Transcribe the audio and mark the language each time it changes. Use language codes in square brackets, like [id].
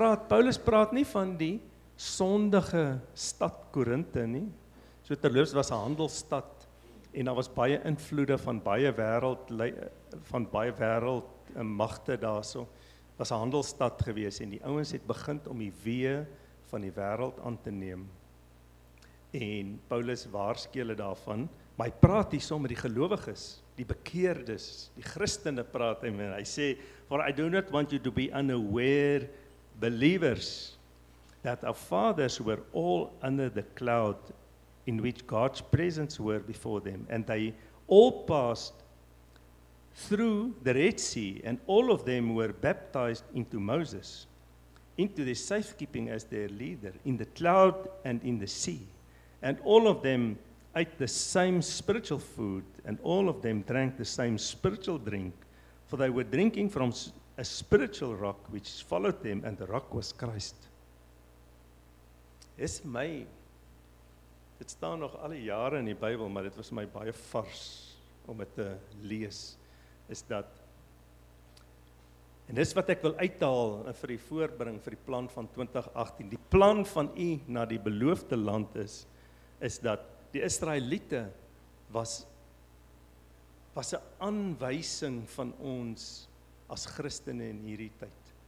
[af] Paulus praat nie van die sondige stad Korinthe nie. So terloops was 'n handelsstad en daar was baie invloede van baie wêreld magte daarso. Was 'n handelsstad gewees en die ouens het begin om die weë van die wêreld aan te neem. En Paulus waarskei hulle daarvan, maar hy praat hierso met die gelowiges, die bekeerdes, die Christene praat hy en hy sê, [en] "For I do not want you to be unaware believers that our fathers were all under the cloud in which God's presence were before them and they all passed through the Red Sea and all of them were baptized into Moses into the safekeeping as their leader in the cloud and in the sea and all of them ate the same spiritual food and all of them drank the same spiritual drink for they were drinking from a spiritual rock which followed them and the rock was Christ. [af] Is my, dit staan nog al die jare in die Bybel, maar dit was my baie vars om dit te lees, is dat, en dis wat ek wil uithaal vir die voorbring, vir die plan van 2018, die plan van u na die beloofde land is dat die Israeliete was 'n aanwysing van ons as Christene in hierdie tyd.